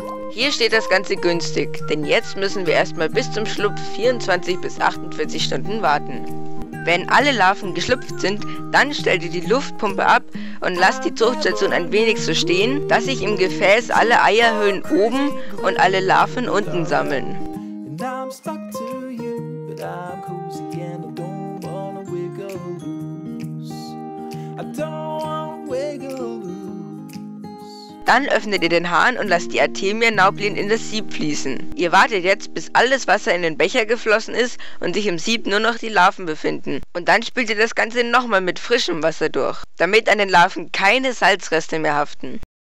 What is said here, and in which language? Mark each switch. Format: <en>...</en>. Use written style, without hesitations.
<de>Hier steht das Ganze günstig, denn jetzt müssen wir erstmal bis zum Schlupf 24 bis 48 Stunden warten. Wenn alle Larven geschlüpft sind, dann stellt ihr die Luftpumpe ab und lasst die Zuchtstation ein wenig so stehen, dass sich im Gefäß alle Eierhüllen oben und alle Larven unten sammeln.</de> <en>I'm stuck to you, but I'm cozy and I don't wanna wiggle loose. I don't wanna wiggle loose.</en> <de>Dann öffnet ihr den Hahn und lasst die Artemia-Nauplien in das Sieb fließen. Ihr wartet jetzt, bis alles Wasser in den Becher geflossen ist und sich im Sieb nur noch die Larven befinden. Und dann spült ihr das Ganze nochmal mit frischem Wasser durch, damit an den Larven keine Salzreste mehr haften.</de>